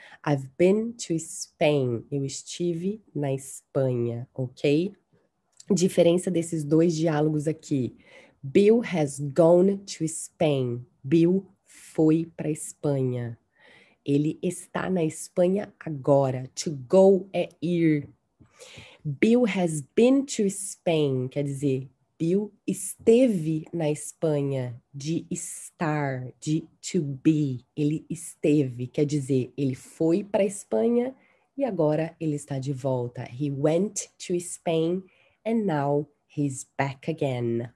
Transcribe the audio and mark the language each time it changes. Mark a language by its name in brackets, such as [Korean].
[English] I've been to Spain, [Portuguese] eu estive na Espanha, ok? Diferença desses dois diálogos aqui. [English] Bill has gone to Spain, [Portuguese] Bill foi para a Espanha. Ele está na Espanha agora. To go é ir. [English] Bill has been to Spain. [Portuguese] Quer dizer, Bill esteve na Espanha. De estar, de to be. Ele esteve. Quer dizer, ele foi para a Espanha e agora ele está de volta. [English] He went to Spain and now he's back again.